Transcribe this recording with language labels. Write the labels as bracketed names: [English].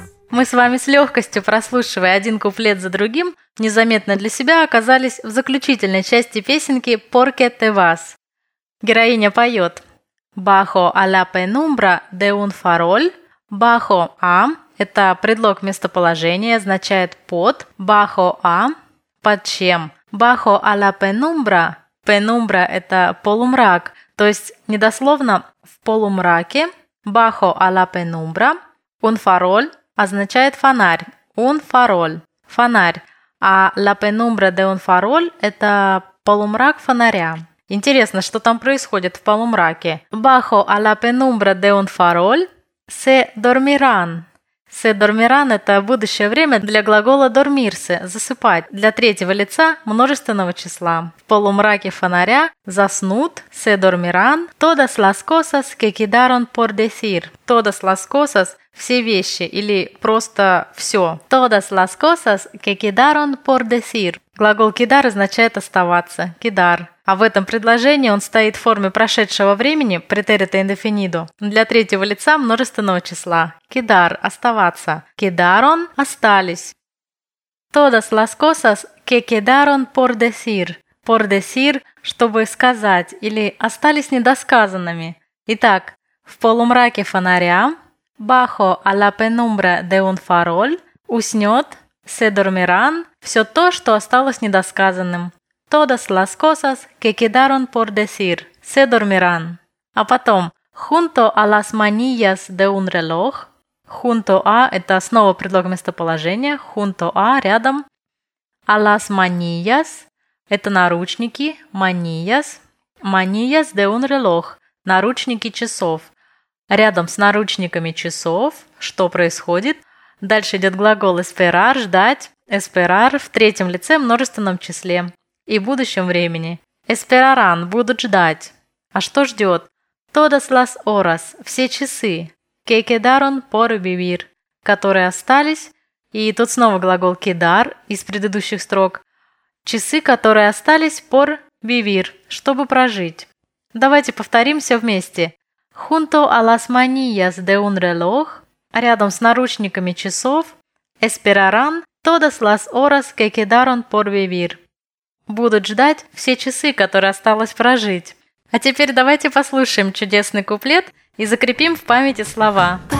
[Russian] Мы с вами с легкостью, прослушивая один куплет за другим, незаметно для себя оказались в заключительной части песенки «Porque te vas». Героиня поет [Spanish] «Bajo a la penumbra de un farol». «Bajo a» [Russian] – это предлог местоположения, означает «под». [Spanish] «Bajo a» [Russian] – «под чем?» [Spanish] «Bajo a la penumbra» [Russian] – «penumbra» – это «полумрак», то есть недословно «в полумраке». [Spanish] «Bajo a la penumbra» – «un farol» [Russian] означает фонарь. [Spanish] Un farol. Фонарь. А la penumbra de un farol – [Russian] это полумрак фонаря. Интересно, что там происходит в полумраке. [Spanish] Bajo a la penumbra de un farol se dormirán. Se dormirán [Russian] – это будущее время для глагола dormirse – засыпать. Для третьего лица множественного числа. В полумраке фонаря заснут. [Spanish] Se dormirán. Todas las cosas que quedaron por decir. Todas las cosas [Russian] – все вещи или просто все. [Spanish] Todas las cosas que quedaron por decir. [Russian] Глагол quedar означает оставаться. [Spanish] Quedar. [Russian] А в этом предложении он стоит в форме прошедшего времени, претерита индефинидо, для третьего лица множественного числа. [Spanish] Quedar [Russian] – оставаться. [Spanish] Quedaron [Russian] – остались. [Spanish] Todas las cosas que quedaron por decir. Por decir [Russian] – чтобы сказать или остались недосказанными. Итак, в полумраке фонаря [Spanish] «Bajo a la penumbra de un farol» [Russian] – «Уснёт», [Spanish] «Se dormirán» [Russian] – всё то, что осталось недосказанным. [Spanish] «Todas las cosas que quedaron por decir» – «Se dormirán». [Russian] А потом [Spanish] «Junto a las manillas de un reloj» – «Junto a» – [Russian] это снова предлог местоположения, [Spanish] «Junto a» – рядом. «A las manillas» – [Russian] это наручники, [Spanish] «Manillas» – «Manillas de un reloj» – [Russian] «Наручники часов». Рядом с наручниками часов. Что происходит? Дальше идет глагол esperar, ждать. Esperar в третьем лице, множественном числе. И будущем времени. [Spanish] Esperarán, [Russian] будут ждать. А что ждет? [Spanish] Todas las horas, [Russian] все часы. [Spanish] Que quedaron por vivir. [Russian] Которые остались. И тут снова глагол quedar из предыдущих строк. Часы, которые остались [Spanish] por vivir, [Russian] чтобы прожить. Давайте повторим все вместе. [Spanish] Junto a las manillas de un reloj, [Russian] рядом с наручниками часов, [Spanish] esperarán todas las horas que quedaron por vivir. [Russian] Будут ждать все часы, которые осталось прожить. А теперь давайте послушаем чудесный куплет и закрепим в памяти слова.